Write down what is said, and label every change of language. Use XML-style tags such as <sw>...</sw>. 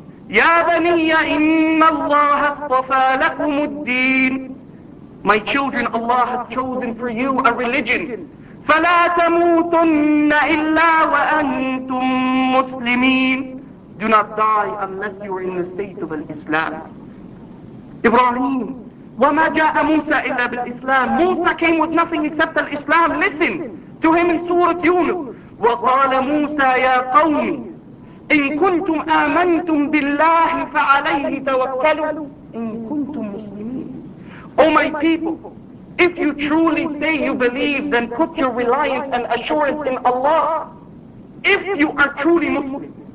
<ar>يَا بَنِيَّ إِنَّ اللَّهَ اصْطَفَى لَكُمُ الدِّينَ.</ar> <en>My children, Allah has chosen for you a religion.</en> <ar>فَلَا تَمُوتُنَّ إِلَّا وَأَنْتُمْ مُسْلِمِينَ.</ar> <en>Do not die unless you are in the state of Islam.</en> <ar>Ibrahim, وَمَا جَاءَ مُوسَى إِلَّا بِالْإِسْلَامِ.</ar> <en>Musa came with nothing except Islam. Listen to him in Surah Yunus.</en> <ar>وَقَالَ مُوسَى يَا قَوْمِ إِن كُنْتُمْ آمَنْتُمْ بِاللَّهِ فَعَلَيْهِ تَوَكَّلُوا إِن كُنْتُمْ مُسْلِمِينَ.</ar> <en>Oh my people, if you truly say you believe, then put your reliance and assurance in Allah, if you are truly Muslim.</en>